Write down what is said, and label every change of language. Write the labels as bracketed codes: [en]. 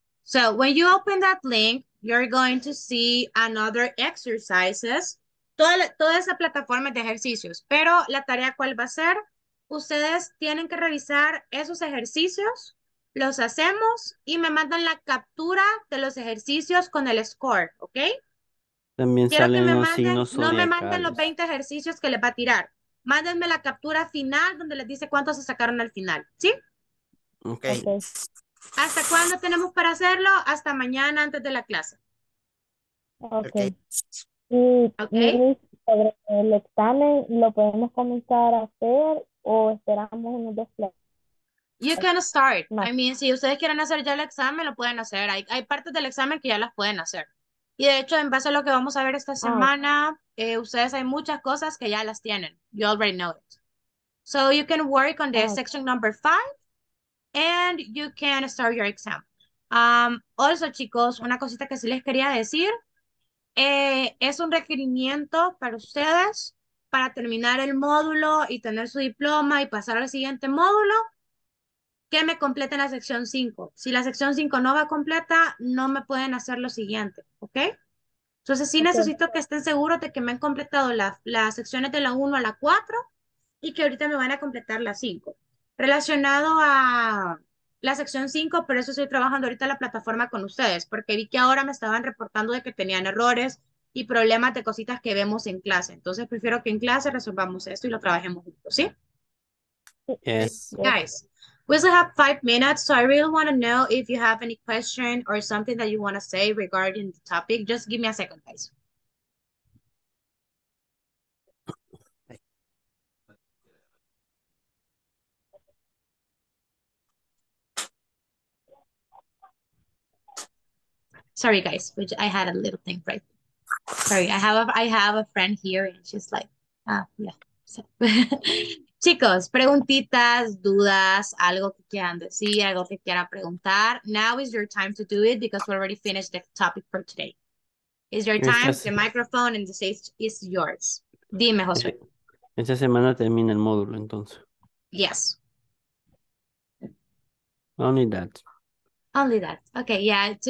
[en] So when you open that link, you're going to see another exercises. [es] Toda esa plataforma de ejercicios. Pero la tarea, ¿cuál va a ser? Ustedes tienen que revisar esos ejercicios, los hacemos y me mandan la captura de los ejercicios con el score, ¿ok? También quiero salen que me los manden, signos zodiacales. No me manden los 20 ejercicios que les va a tirar. Mándenme la captura final donde les dice cuántos se sacaron al final, ¿sí? [en] Ok. [es] ¿Hasta cuándo tenemos para hacerlo? Hasta mañana antes de la clase. [en] Ok. Okay. [es] ¿El examen lo podemos comenzar a hacer o esperamos unos dos clases? [en] You can start. [es] No. [en] I mean, [es] si ustedes quieren hacer ya el examen, lo pueden hacer. Hay partes del examen que ya las pueden hacer. Y de hecho, en base a lo que vamos a ver esta semana, ustedes hay muchas cosas que ya las tienen. [en] You already know it. So you can work on the section number 5 and you can start your exam. Also, [es] chicos, una cosita que sí les quería decir. Es un requerimiento para ustedes para terminar el módulo y tener su diploma y pasar al siguiente módulo. que me complete la sección 5. Si la sección 5 no va completa, no me pueden hacer lo siguiente, ¿ok? Entonces, sí necesito que estén seguros de que me han completado las secciones de la 1 a la 4 y que ahorita me van a completar la 5. Relacionado a la sección 5, por eso estoy trabajando ahorita la plataforma con ustedes, porque vi que ahora me estaban reportando de que tenían errores y problemas de cositas que vemos en clase. Entonces, prefiero que en clase resolvamos esto y lo trabajemos juntos, ¿sí? [en] Yes. Guys, we still have 5 minutes, so I really want to know if you have any question or something that you want to say regarding the topic. Just give me a second, guys. Sorry, guys, which I had a little thing right. Sorry, I have a friend here, and she's like, ah, yeah. So. [es] Chicos, preguntitas, dudas, algo que quieran decir, algo que quieran preguntar. [en] Now is your time to do it because we already finished the topic for today. It's your time, the microphone and the stage is yours. [es] Dime, Josué. Esta semana termina el módulo, entonces. [en] Yes. Only that. Only that. Okay, yeah.